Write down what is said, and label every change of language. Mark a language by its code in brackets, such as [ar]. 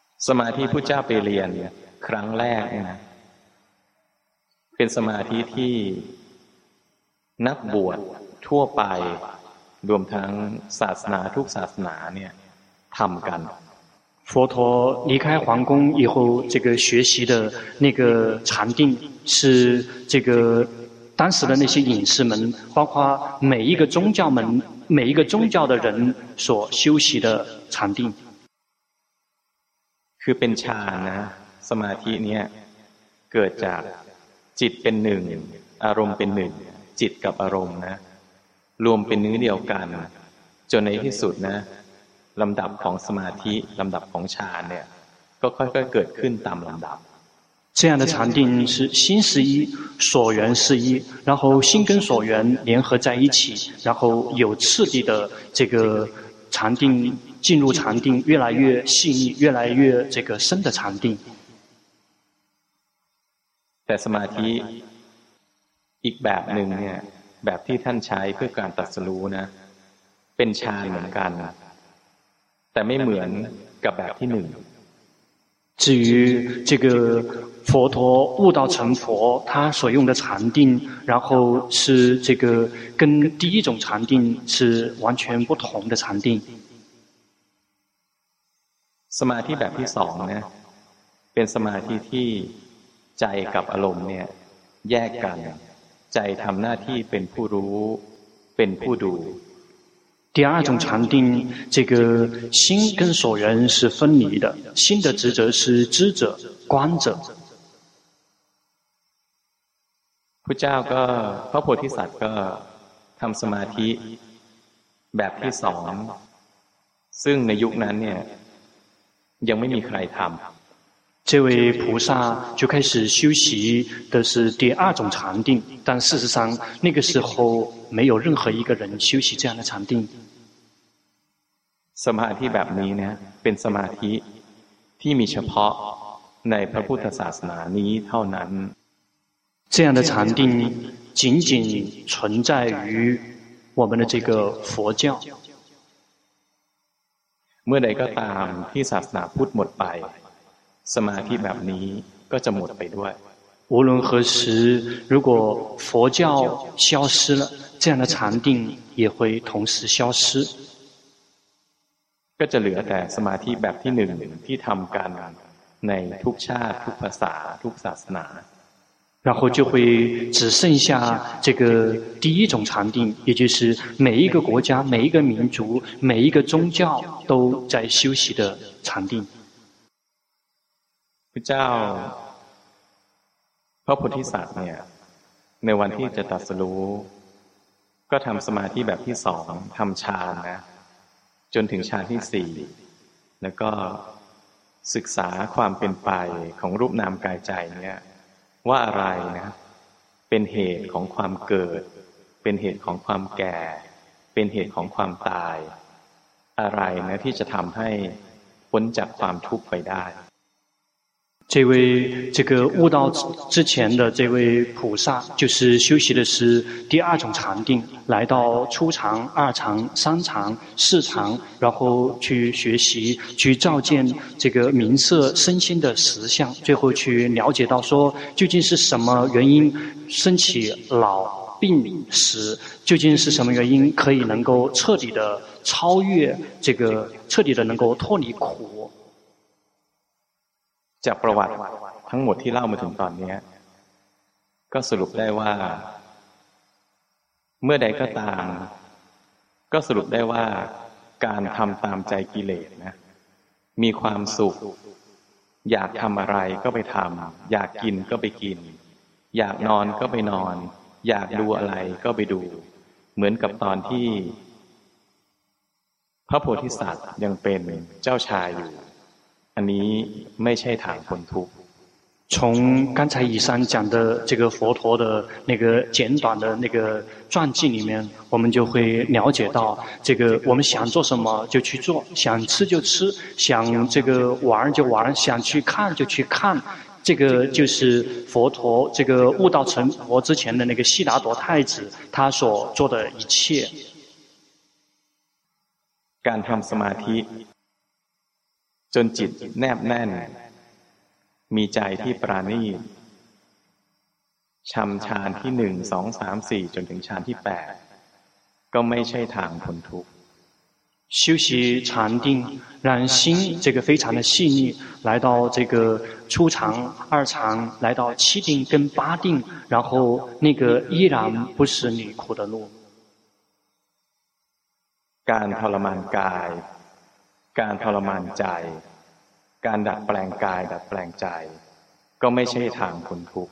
[th] สมาธิพุทธเจ้าไปเรียนครั้งแรกเป็นสมาธิที่นักบวชทั่วไปรวมทั้งศาสนาทุกศาสนาเนี่ยทำกัน [zh] 佛陀离开皇宫以后这个学习的那个禅定是这个当时的那些隐士们包括每一个宗教们每一个宗教的人所修习的禅定 [th] คือเป็นฌานนะสมาธิเนี่ยเกิดจากจิตเป็นหนึ่งอารมณ์เป็นหนึ่งจิตกับอารมณ์นะรวมเป็นเนื้อเดียวกันจนในที่สุดนะลำดับของสมาธิลำดับของฌานเนี่ยก็ค่อยๆเกิดขึ้นตามลำดับ [zh] 这样的禅定是心是一所缘是一然后心跟所缘联合在一起然后有次第的这个禅定进入禅定越来越细腻越来越这个深的禅定 [th] แต่สมาธิอีกแบบหนึ่งเนี่ยแบบที่ท่านใช้เพื่อการตรัสรู้นะเป็นฌานเหมือนกันแต่ไม่เหมือนกับแบบที่หนึ่ง [zh] 至于这个佛陀悟道成佛他所用的禅定然后是这个跟第一种禅定是完全不同的禅定 [th] สมาธิแบบที่สองเนี่ยเป็นสมาธิที่ใจกับอารมณ์เนี่ยแยกกันใจทำหน้าที่เป็นผู้รู้เป็นผู้ดู [zh] 第二种禅定，这个心跟所缘是分离的，心的职责是知者、观者。 [th] พุทธเจ้าก็พระโพธิสัตว์ก็ทำสมาธิแบบที่สองซึ่งในยุคนั้นเนี่ยยังไม่มีใครทำ [zh] 这位菩萨就开始修习的是第二种禅定，但事实上那个时候没有任何一个人修习这样的禅定。 [th] สมาธิแบบนี้เนี่ยเป็นสมาธิที่มีเฉพาะในพระพุทธศาสนานี้เท่านั้น。 [zh] 这样的禅定仅仅存在于我们的这个佛教。 [th] เมื่อใดก็ตามที่ศาสนาพุทธหมดไปสมาธิแบบนี้ก็จะหมดไปด้วย [zh] 无论何时如果佛教消失了这样的禅定也会同时消失 [th] ก็จะเหลือแต่สมาธิแบบที่หนึ่งที่ทำกันในทุกชาติทุกภาษาทุกศาสนา [zh] 然后就会只剩下这个第一种禅定也就是每一个国家每一个民族每一个宗教都在修习的禅定 [th] พระเจ้าพระโพธิสัตว์เนี่ยในวันที่จะตรัสรู้ก็ทำสมาธิแบบที่สองทำฌานนะจนถึงฌานที่สี่แล้วก็ศึกษาความเป็นไปของรูปนามกายใจเนี่ยว่าอะไรนะเป็นเหตุของความเกิดเป็นเหตุของความแก่เป็นเหตุของความตายอะไรนะที่จะทำให้พ้นจากความทุกข์ไปได้ [zh] 这位这个悟道之前的这位菩萨就是修习的是第二种禅定来到初禅二禅三禅四禅然后去学习去照见这个名色身心的实相最后去了解到说究竟是什么原因生起老病死究竟是什么原因可以能够彻底的超越这个彻底的能够脱离苦 [th] จากประวัติทั้งหมดที่เล่ามาถึงตอนนี้ก็สรุปได้ว่าเมื่อใดก็ตาม ก็สรุปได้ว่าการทำตามใจกิเลสนะมีความสุขอยากทำอะไรก็ไปทำอยากกินก็ไปกินอยากนอนก็ไปนอนอยากดูอะไรก็ไปดูเหมือนกับตอนที่พระโพธิสัตว์ยังเป็นเจ้าชายอยู่อันนี้ไม่ใช่ทางพ้นทุกข์ [zh] 从刚才以上讲的这个佛陀的那个简短的那个传记里面我们就会了解到这个我们想做什么就去做想吃就吃想这个玩就玩想去看就去看这个就是佛陀这个悟道成佛之前的那个悉达多太子他所做的一切 [th] การทำสมาธิจนจิตแนบแน่นมีใจที่ปราณีตชำฌานที่หนึ่งสองสามสี่จนถึงฌานที่แปดก็ไม่ใช่ทางพ้นทุกข์ [zh] 修习禅定让心这个非常的细腻来到这个初禅二禅来到七定跟八定然后那个依然不是你苦的路 [th] การทรมานกายการทรมานใจการดัดแปลงกายดัดแปลงใจก็ไม่ใช่ทางพ้นทุกข